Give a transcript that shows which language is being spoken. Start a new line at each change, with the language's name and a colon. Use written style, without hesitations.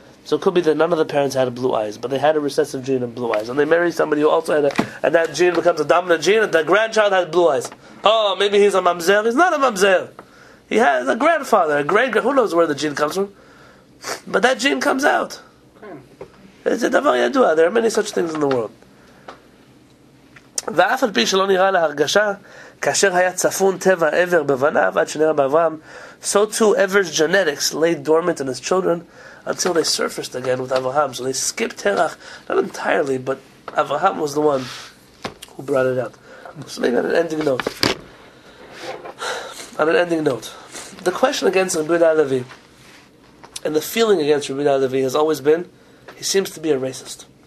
English: So it could be that none of the parents had blue eyes, but they had a recessive gene of blue eyes. And they marry somebody who also had and that gene becomes a dominant gene, and the grandchild has blue eyes. Oh, maybe he's a mamzer. He's not a mamzer. He has a grandfather, a great grandfather. Who knows where the gene comes from? But that gene comes out. It's a davar yadua. There are many such things in the world.
Hebrew: ואף על פי שלא נראה להרגשה, כאשר היה צפון טבע עבר בבניו, עד שנראה באברהם,
English: so too Ever's genetics lay dormant in his children until they surfaced again with Abraham. So they skipped Terach, not entirely, but Abraham was the one who brought it out. So maybe on an ending note. The question against Rabbi Halevi, and the feeling against Rabbi Halevi has always been, he seems to be a racist.